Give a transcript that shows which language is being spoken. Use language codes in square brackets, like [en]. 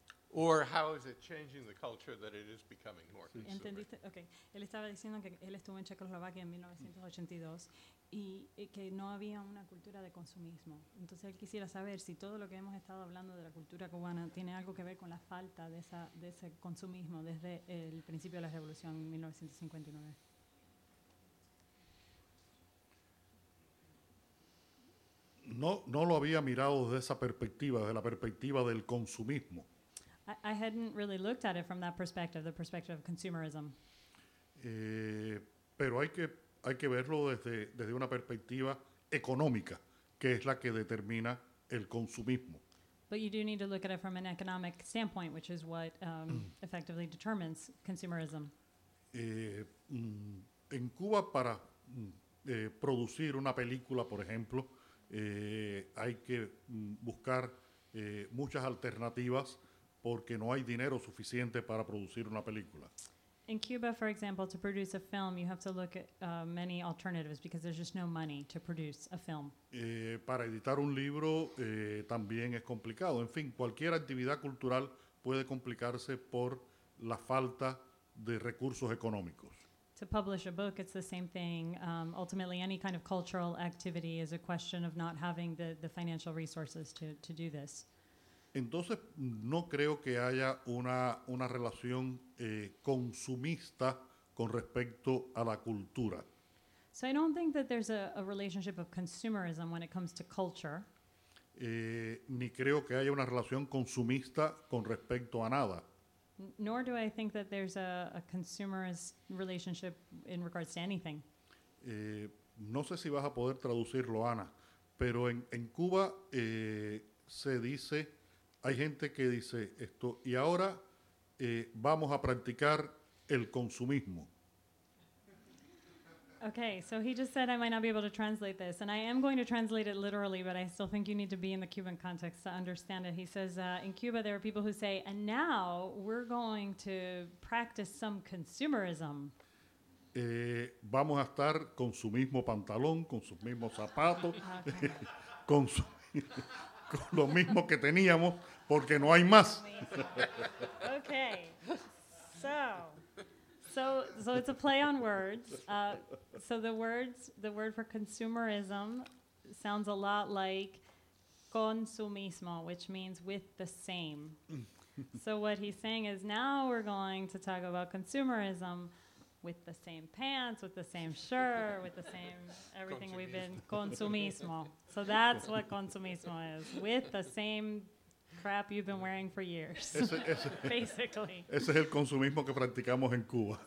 [en] Or how is it changing the culture that it is becoming more consumer? [es] ¿Entendiste? Okay. Él estaba diciendo que él estuvo en Checoslovaquia en 1982 y que no había una cultura de consumismo. Entonces él quisiera saber si todo lo que hemos estado hablando de la cultura cubana tiene algo que ver con la falta de esa de ese consumismo desde el principio de la revolución en 1959. No lo había mirado desde esa perspectiva, desde la perspectiva del consumismo. [en] I hadn't really looked at it from that perspective, the perspective of consumerism. [es] Pero hay que verlo desde una perspectiva económica, que es la que determina el consumismo. [en] But you do need to look at it from an economic standpoint, which is what effectively determines consumerism. [es] En Cuba, para producir una película, por ejemplo, hay que buscar muchas alternativas porque no hay dinero suficiente para producir una película. [en] In Cuba, for example, to produce a film, you have to look at many alternatives because there's just no money to produce a film. [es] Para editar un libro también es complicado. En fin, cualquier actividad cultural puede complicarse por la falta de recursos económicos. [en] To publish a book, it's the same thing. Ultimately, any kind of cultural activity is a question of not having the financial resources to do this. [es] Entonces, no creo que haya una relación consumista con respecto a la cultura. [en] So I don't think that there's a relationship of consumerism when it comes to culture. [es] Ni creo que haya una relación consumista con respecto a nada. [en] Nor do I think that there's a consumerist relationship in regards to anything. [es] No sé si vas a poder traducirlo, Ana, pero en Cuba se dice... Hay gente que dice esto, y ahora vamos a practicar el consumismo. [en] Okay, so he just said I might not be able to translate this, and I am going to translate it literally, but I still think you need to be in the Cuban context to understand it. He says, in Cuba there are people who say, and now we're going to practice some consumerism. [es] vamos a estar con su mismo pantalón, con sus mismos zapatos, con su, con lo mismo que teníamos, porque no hay más. [en] Okay. So it's a play on words. So the word for consumerism sounds a lot like consumismo, which means with the same. So what he's saying is now we're going to talk about consumerism with the same pants, with the same shirt, with the same everything we've been consumismo. So that's what consumismo is, with the same crap you've been wearing for years, basically. [es] Ese es el consumismo que practicamos en Cuba.